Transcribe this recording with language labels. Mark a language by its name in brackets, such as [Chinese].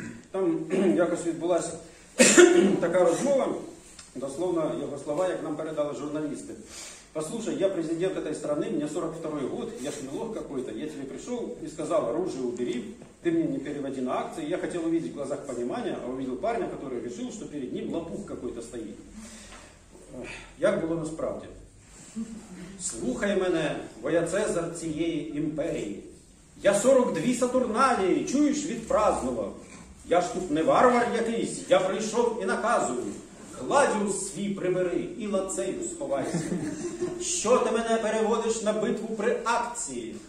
[Ukrainian] Там якось відбулася така розмова Дословно його слова, як нам передали журналісти. [Russian] Послушай, я президент этой страны, мне 42-й год, я ж не лох какой-то. Я тебе пришел и сказал, оружие убери, ты мне не переводи на акции. Я хотел увидеть в глазах понимание, а увидел парня, который решил, что перед ним лопух какой-то стоит. [Ukrainian] Як було насправді? Слухай мене, воя-цезар цієї імперії. Я 42 сатурналії, чуєш, відпразнував. Я ж тут не варвар якийсь, я прийшов і наказую. Гладіус свій прибери і лацею сховайся. Що ти мене переводиш на битву при акції?